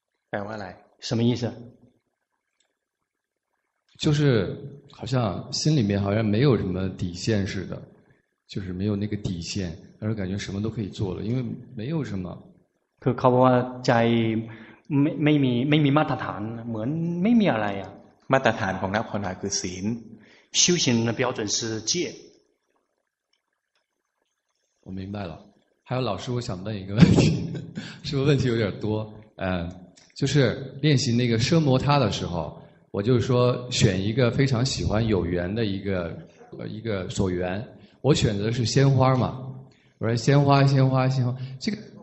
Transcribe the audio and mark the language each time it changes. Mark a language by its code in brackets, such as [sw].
[zh] 带我来什么意思就是好像心里面好像没有什么底线似的就是没有那个底线，而感觉什么都可以做了，因为没有什么。 [th] คือเขาบอกว่าใจไม่มีมาตรฐานเหมือนไม่มีอะไรอ่ะ มาตรฐานของนักภาวนาคือศีล [zh] 修行的标准是戒我明白了还有老师我想问一个问题是不是问题有点多就是练习那个奢摩他的时候我就是说选一个非常喜欢有缘的一个所缘我选择的是鲜花嘛我说鲜花鲜花鲜花这个